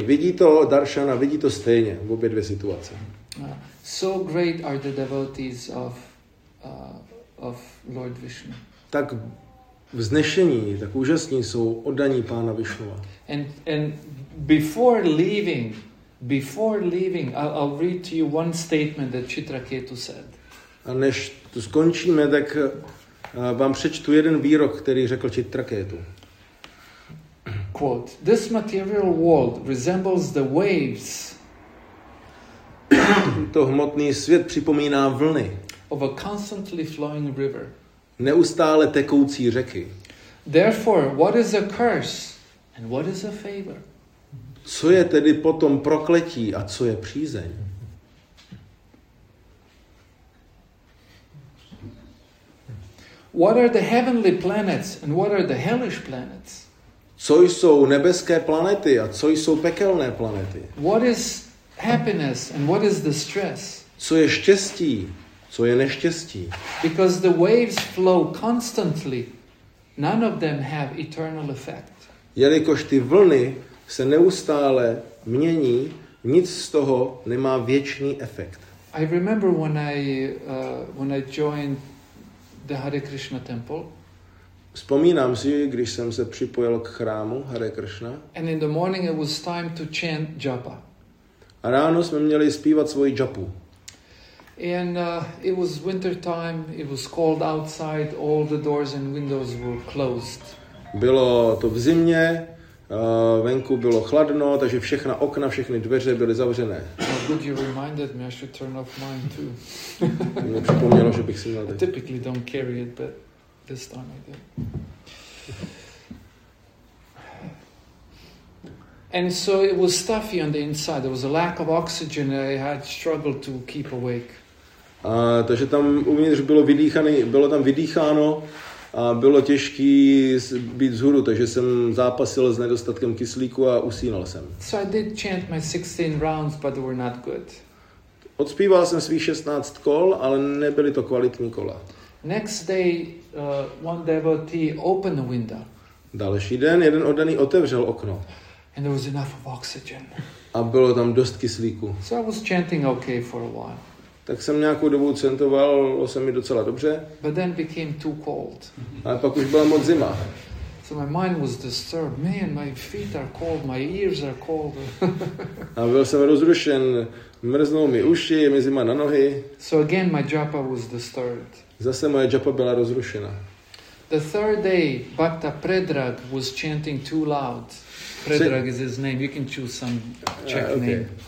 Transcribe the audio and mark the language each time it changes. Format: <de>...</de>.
<cs>Vidí to darshana, vidí to stejně v obě dvě situace.</cs> <en>So great are the devotees of Lord Vishnu.</en> <cs>Tak vznešení, tak úžasní jsou oddaní pána Vishnova.</cs> <en>And before leaving, I'll read to you one statement that Chitraketu said.</en> <cs>A než to skončíme, tak vám přečtu jeden výrok, který řekl Chitraketu.</cs> <en>Quote, this material world resembles the waves.</en> <cs>To hmotný svět připomíná vlny.</cs> <en>Of a constantly flowing river.</en> <cs>Neustále tekoucí řeky.</cs> <en>Therefore, what is a curse And what is a favor?</en> <cs>Co je tedy potom prokletí a co je přízeň?</cs> <en>What are the heavenly planets and what are the hellish planets?</en> <cs>Co jsou nebeské planety a co jsou pekelné planety?</cs> <en>What is happiness and what is the stress?</en> <cs>Co je štěstí, co je neštěstí?</cs> <en>Because the waves flow constantly, none of them have eternal effect.</en> <cs>Jelikož ty vlny se neustále mění, nic z toho nemá věčný efekt.</cs> <en>I remember when I joined the Hare Krishna temple.</en> <cs>Vzpomínám si, když jsem se připojil k chrámu Hare Krishna.</cs> <en>And in the morning it was time to chant japa.</en> <cs>A ráno jsme měli zpívat svoji japu.</cs> <en>And it was winter time, it was cold outside, all the doors and windows were closed.</en> <cs>Bylo to v zimě, venku bylo chladno, takže všechna okna, všechny dveře byly zavřené.</cs> <en>Oh, good, you reminded me, I should turn off mine too.</en> <cs>Mě připomnělo, že bych si měl</cs> <en>I typically don't carry it, but this time I did. And so it was stuffy on the inside, there was a lack of oxygen, I had struggled to keep awake.</en> <cs>Takže tam uvnitř bylo tam vydýcháno a bylo těžký být vzhůru, takže jsem zápasil s nedostatkem kyslíku a usínal jsem.</cs> <en>So I did chant my 16 rounds, but they were not good.</en> <cs>Odspíval jsem svých 16 kol, ale nebyly to kvalitní kola.</cs> <en>Next day, one devotee opened the window.</en> <cs>Další den jeden oddaný otevřel okno.</cs> <en>And there was enough of oxygen.</en> <cs>A bylo tam dost kyslíku.</cs> <en>So I was chanting okay for a while.</en> <cs>Tak jsem nějakou dobu centoval, bylo se mi docela dobře.</cs> <en>But then became too cold.</en> <cs>Ale pak už byla moc zima.</cs> <en>So my mind was disturbed. Man, my feet are cold, my ears are cold.</en> <cs>A byl jsem rozrušen, mrznou mi uši, je mi zima na nohy.</cs> <en>So again my japa was disturbed.</en> <cs>Zase moje japa byla rozrušena.</cs> <en>The third day, Bhakta Predrag was chanting too loud. Predrag is his name, you can choose some Czech name.</en>